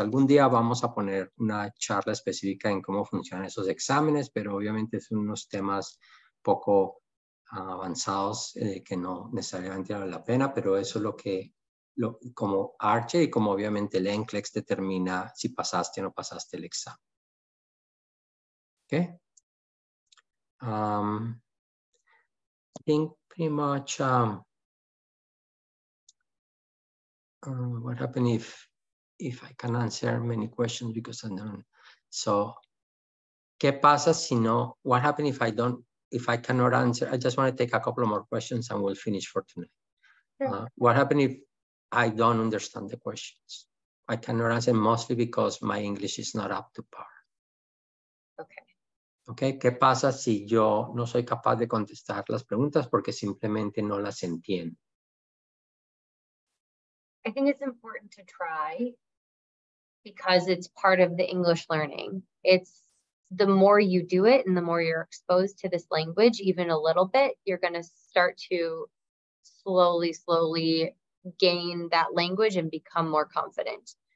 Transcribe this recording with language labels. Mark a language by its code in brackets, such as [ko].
[es] Algún día vamos a poner una charla específica en cómo funcionan esos exámenes, pero obviamente son unos temas poco avanzados que no necesariamente vale la pena, pero eso es lo que como Arche y como obviamente el NCLEX determina si pasaste o no pasaste el examen. Okay. [en] I think pretty much what happened if I can answer many questions because I don't. So [es] ¿qué pasa si no? [en] What happened if I don't? If I cannot answer, I just want to take a couple of more questions and we'll finish for tonight. Sure. What happened if I don't understand the questions? I cannot answer mostly because my English is not up to par. Okay. [es] ¿Qué pasa si yo no soy capaz de contestar las preguntas porque simplemente no las entiendo? [en] I think it's important to try because it's part of the English learning. It's the more you do it and the more you're exposed to this language, even a little bit, you're going to start to slowly gain that language and become more confident.